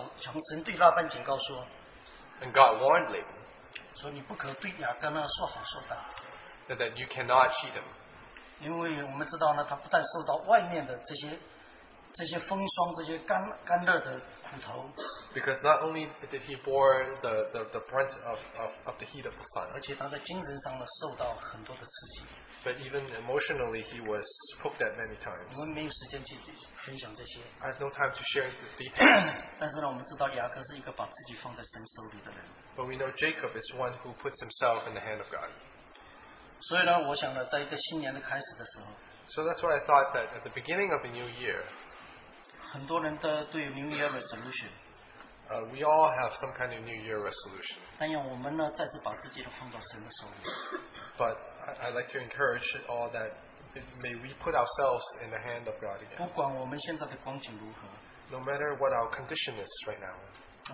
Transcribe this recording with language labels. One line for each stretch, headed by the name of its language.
English: and God warned Laban,
Chinese: 说你不可对雅各那说好说答,
English: and that you cannot cheat him.
Chinese: 因为我们知道呢, 他不但受到外面的这些风霜这些干热的苦头,
English: because not only did he bore the brunt of the heat of the sun,
Chinese: 而且他在精神上呢, 受到很多的刺激,
English: but even emotionally he was poked at many times.
Chinese: 我们没有时间去分享这些,
English: I have no time to share the details.
Chinese: 但是呢, 我们知道雅各是一个把自己放在神手里的人,
English: but we know Jacob is one who puts himself in the hand of God.
Chinese: 所以呢, 我想呢, 在一个新年的开始的时候,
English: so that's why I thought that at the beginning of the new year,
Chinese: 很多人都对
English: New Year resolution. We all have some kind of New Year resolution.
Chinese: 但愿我们呢, 再次把自己都放到神的手里,
English: but I'd like to encourage all that may we put ourselves in the hand of God again.
Chinese: 不管我们现在的光景如何,
English: no matter what our condition is right now,